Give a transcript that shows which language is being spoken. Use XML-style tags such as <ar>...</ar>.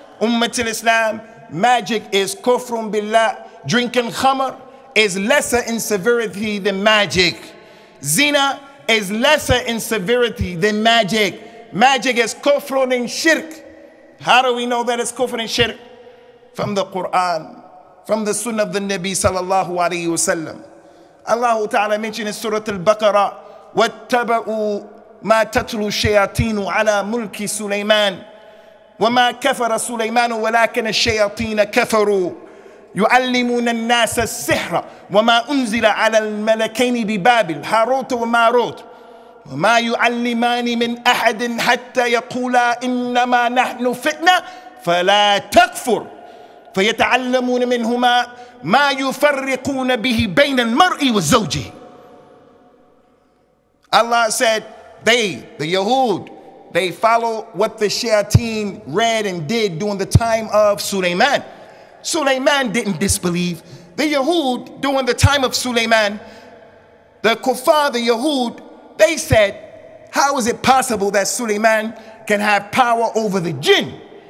<en>Ummat al-Islam, magic is kufrun billah. Drinking khamr is lesser in severity than magic. Zina is lesser in severity than magic. Magic is kufrun and shirk. How do we know that it's kufrun and shirk? From the Quran, from the sunnah of the Nabi sallallahu alayhi wa sallam. Allah Ta'ala mentioned in Surah Al-Baqarah,</en> <ar>وَاتَّبَعُوا مَا تَتْلُوا الشَّيَاطِينُ عَلَى مُلْكِ سُلَيْمَانُ وَمَا كَفَرَ سُلَيْمَانُ وَلَكَنَ الشَّيَاطِينَ كَفَرُوا يُعَلِّمُونَ النَّاسَ السِّحْرَ وَمَا أُنزِلَ عَلَى الْمَلَكَيْنِ بِبَابِلْ هَارُوتَ وَمَارُوتَ وَمَا يُعَلِّمَانِ مِنْ أَحَدٍ حَتَّى يَقُولَا إِنَّمَا نَحْنُ فِتْنَةٌ فَلَا تَكْفُرْ فَيَتَعَلَّمُونَ مِنْهُمَا مَا يُفَرِّقُونَ بِهِ بَيْنَ الْمَرْءِ وَالزَّوْجِهِ.</ar> <en>Allah said, they, the Yahud, they follow what the shayateen read and did during the time of Sulaiman. Sulaiman didn't disbelieve. The Yahud, during the time of Sulaiman, the kuffar, the Yahud, they said, how is it possible that Sulaiman can have power over the jinn?</en>